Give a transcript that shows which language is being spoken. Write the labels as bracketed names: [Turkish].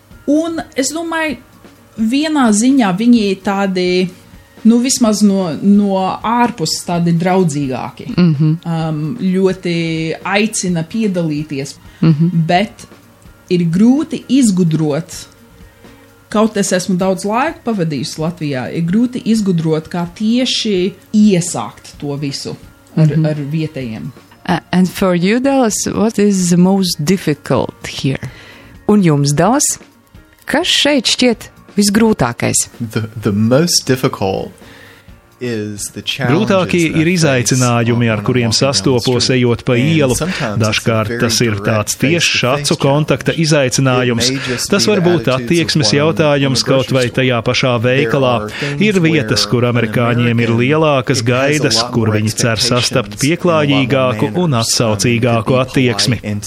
[Latvian] Un es domāju, vienā ziņā viņi ir tādi, nu vismaz no ārpus tādi draudzīgāki, ļoti aicina piedalīties, bet ir grūti izgudrot, kaut es esmu daudz laika pavadījusi Latvijā, ir grūti izgudrot, kā tieši iesākt to visu ar vietējiem. [English] And for you, Dallas, what is the most difficult here? [Latvian] Un jums, Dallas, kas šeit šķiet visgrūtākais? [English] The most difficult is the challenges. [Latvian] Grūtākie ir izaicinājumi, ar kuriem sastopos ejot pa ielu. Dažkārt tas ir tāds tiešs acu kontakta izaicinājums. Tas var būt attieksmes jautājums kaut vai tajā pašā veikalā. Ir vietas, kur amerikāņiem ir lielākas gaidas, kur viņi cer sastapt pieklājīgāku un atsaucīgāku attieksmi.